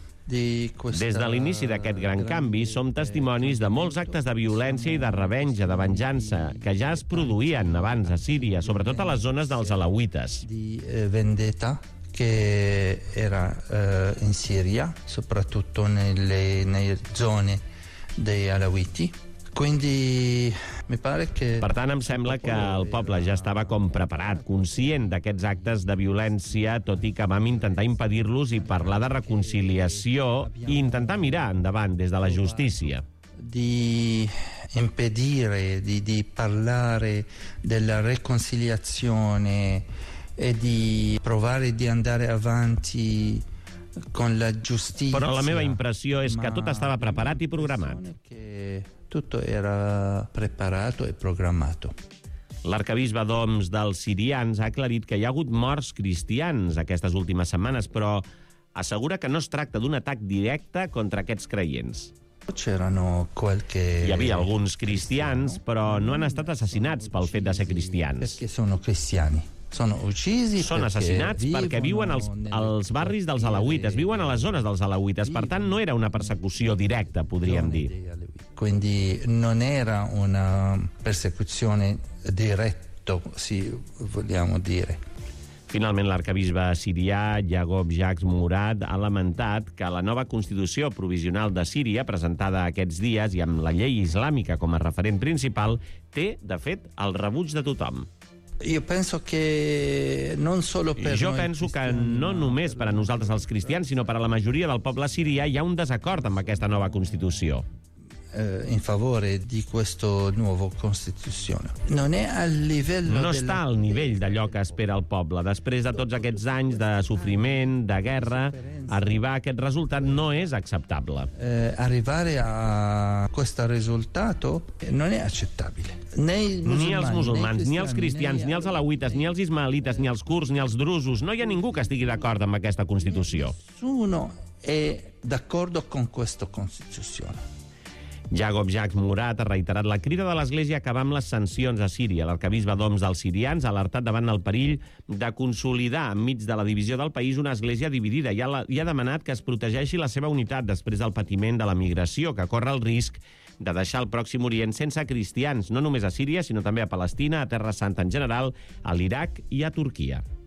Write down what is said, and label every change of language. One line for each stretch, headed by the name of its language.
Catalan: Des de l'inici d'aquest gran canvi, som testimonis de molts actes de violència i de revenja, de venjança, que ja es produïen abans a Síria, sobretot a les zones dels alauites.
Italian: Vendetta que era in Siria, soprattutto nelle zone dei alauiti. Quindi mi pare che...
Catalan: Per tant, em sembla que el poble ja estava com preparat, conscient d'aquests actes de violència, tot i que vam intentar impedir-los i parlar de reconciliació i intentar mirar endavant des de la justícia.
Italian: Di impedire, di parlare della reconciliazione e di provare di andare avanti con la giustizia.
Catalan: Però la meva impressió és que tot estava preparat i programat.
Italian: Tutto era preparato e programato.
Catalan: L'arcabisbe d'Homs dels sirians ha aclarit que hi ha hagut morts cristians aquestes últimes setmanes, però assegura que no es tracta d'un atac directe contra aquests creients. Hi havia alguns cristians, però no han estat assassinats pel fet de ser cristians.
Italian: Perquè sono cristiani.
Catalan: Són assassinats perquè viuen als barris dels alauites, viuen a les zones dels alauites. Per tant, no era una persecució directa, podríem dir.
Italian: Quindi non era una persecuzione diretta, si vogliamo dire.
Catalan: Finalment, l'arcabisbe sirià, Yaqob Jacques Mourad, ha lamentat que la nova Constitució Provisional de Síria, presentada aquests dies i amb la llei islàmica com a referent principal, té, de fet, el rebuig de tothom. Jo penso que no només per a nosaltres els cristians, sinó per a la majoria del poble sirià hi ha un desacord amb aquesta nova Constitució.
Italian: In favore di questo nuovo costituzione. Non è al livello.
Catalan: No està al nivell d'allò che espera il popolo. Després de tots aquests anys de sofriment, de guerra,
Italian: arrivare a aquest risultato non è acceptabile. Arrivare a questo risultato non è accettabile.
Catalan: Ni els musulmans, ni els cristians, ni els alauites, ni els ismaelites, ni els curts, ni els drusos. No hi ha ningú que estigui d'acord amb aquesta Constitució.
Italian: Nessuno è d'accordo con questa Constituzione.
Catalan: Yaqob Jacques Mourad ha reiterat la crida de l'Església a acabar amb les sancions a Síria. L'arcabisbe d'Homs dels sirians ha alertat davant el perill de consolidar enmig de la divisió del país una església dividida i ha demanat que es protegeixi la seva unitat després del patiment de la migració, que corre el risc de deixar el Pròxim Orient sense cristians, no només a Síria, sinó també a Palestina, a Terra Santa en general, a l'Iraq i a Turquia.